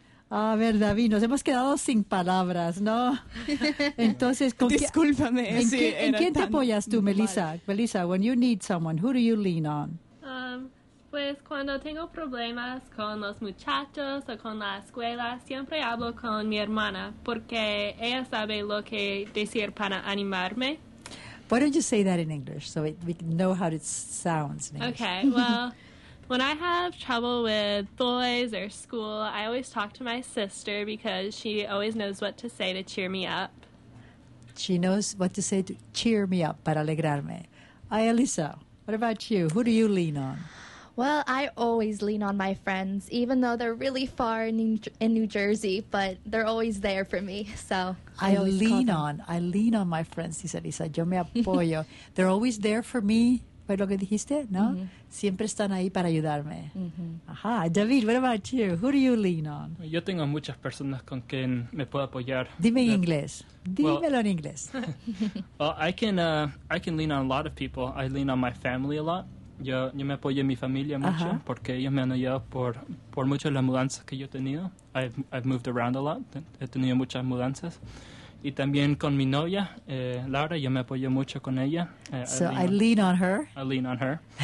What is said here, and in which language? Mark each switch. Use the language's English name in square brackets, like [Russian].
[Spanish] A ver, David, nos hemos quedado sin palabras, ¿no? Entonces, discúlpame. ¿En quién te apoyas tú, Melissa? [English] Melissa, when you need someone, who do you lean on? [Spanish] Pues cuando tengo problemas con los muchachos o con la escuela, siempre hablo con mi hermana porque ella sabe lo que decir para animarme. [English] Why don't you say that in English so we know how it sounds in English? Okay, well... When I have trouble with boys or school, I always talk to my sister because she always knows what to say to cheer me up. She knows what to say to cheer me up, [Spanish] para alegrarme. [English] Ay, Elisa, what about you? Who do you lean on? Well, I always lean on my friends, even though they're really far in New Jersey, but they're always there for me, so I lean on my friends, [Spanish] dice Elisa. Yo me apoyo. [English] They're always there for me. [Spanish] ¿Fue lo que dijiste? ¿No? [English] Mm-hmm. [Spanish] Siempre están ahí para ayudarme. Mm-hmm. [English] Ajá. David, what about you? Who do you lean on? [Spanish] Yo tengo muchas personas con quien me puedo apoyar. Dime en inglés. Dímelo en inglés. [English] Well, I can lean on a lot of people. I lean on my family a lot. [Spanish] Yo me apoyo en mi familia mucho. [English] Uh-huh. [Spanish] Porque ellos me han ayudado por muchas de las mudanzas que yo he tenido. [English] I've moved around a lot. [Spanish] He tenido muchas mudanzas. Y también con mi novia, Laura, yo me apoyo mucho con ella. [English] I lean on her.